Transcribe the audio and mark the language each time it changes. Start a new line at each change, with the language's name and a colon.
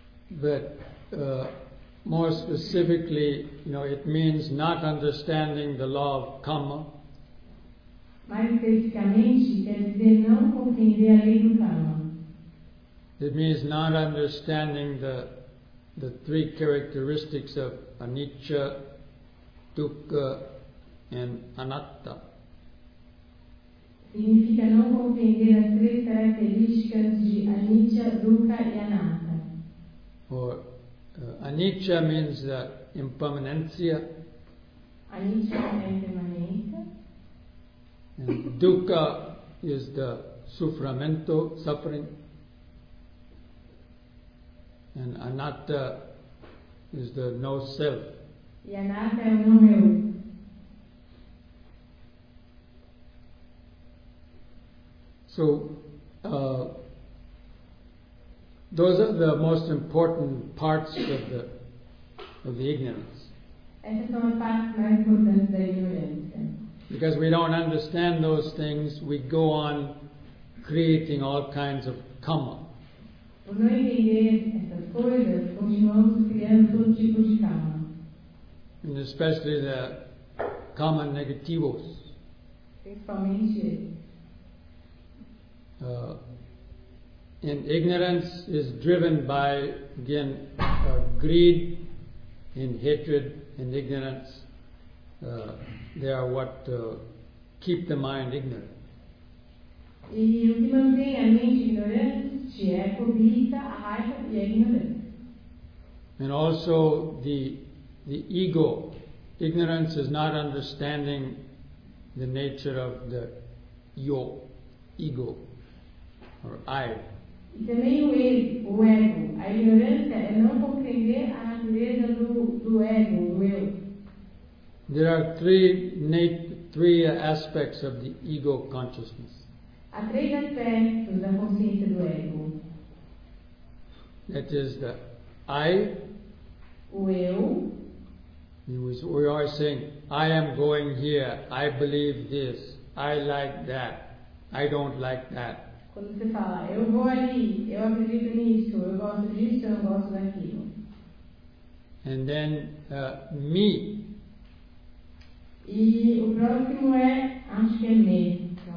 English: But more specifically, you know, it means not understanding the law of karma.
Portuguese: Mais especificamente, quer dizer não compreender a lei do karma.
English: It means not understanding the three characteristics of anicca, dukkha, and anatta.
Portuguese: Significa não compreender as três características de anicca, dukkha, e anatta.
English: Or anicca means the impermanencia.
Portuguese: Anicca é impermanência.
English: And dukkha is the sufrimento, suffering. And anatta is the no self.
Portuguese: E anatta é o não eu.
English: So, those are the most important parts of the ignorance.
Portuguese: Essas são as partes mais importantes da ignorância.
English: Because we don't understand those things, we go on creating all kinds of karma.
Portuguese: Por não entender essas coisas, continuamos criando todo tipo de karma.
English: And especially the karma negativos.
Portuguese: Principalmente.
English: And ignorance is driven by, again, greed and hatred and ignorance. They are what keep the mind ignorant.
Portuguese: E o que mantém a mente ignorante é a cobiça, a raiva e a ignorância.
English: And also the ego. Ignorance is not understanding the nature of the yo, ego, or I.
Portuguese: E também o ego. A ignorância é não compreender a natureza do ego, o eu.
English: There are three aspects of the ego consciousness.
Portuguese: Há três aspectos da consciência do ego.
English: That is the I.
Portuguese: O eu.
English: We are saying, I am going here, I believe this, I like that, I don't like that.
Portuguese: Quando você fala, eu vou ali, eu acredito nisso, eu gosto disso, eu gosto daquilo.
English: And then, me.
Portuguese: E o próximo é, acho que é me.